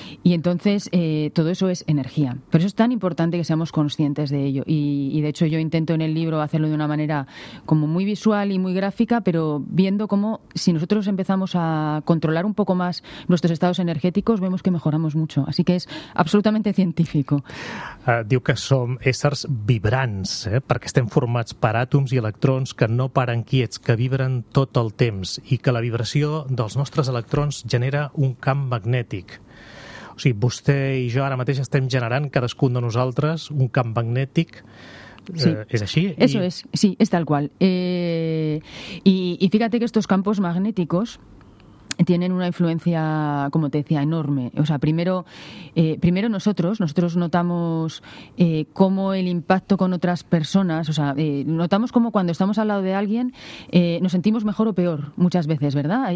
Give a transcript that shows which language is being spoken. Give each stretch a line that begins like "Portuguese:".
Spanish: Y entonces todo eso es energía. Pero eso es tan importante que seamos conscientes de ello. Y de hecho yo intento en el libro hacerlo de una manera como muy visual y muy gráfica, pero viendo cómo si nosotros empezamos a controlar un poco más nuestros estados energéticos, vemos que mejoramos mucho. Así que es absolutamente científico.
Catalan: Diu que som éssers vibrants, perquè estem formats per àtoms i electrons que no paren quiets, que vibren tot el temps i que la vibració dels nostres electrons genera un camp magnètic. O sigui, vostè i jo ara mateix estem generant cadascun de nosaltres un camp magnètic.
Spanish: Sí, ¿es así? Eso es, sí, es tal cual. Y fíjate que estos campos magnéticos tienen una influencia, como te decía, enorme. O sea, primero nosotros notamos cómo el impacto con otras personas, o sea, notamos cómo cuando estamos al lado de alguien nos sentimos mejor o peor muchas veces, ¿verdad?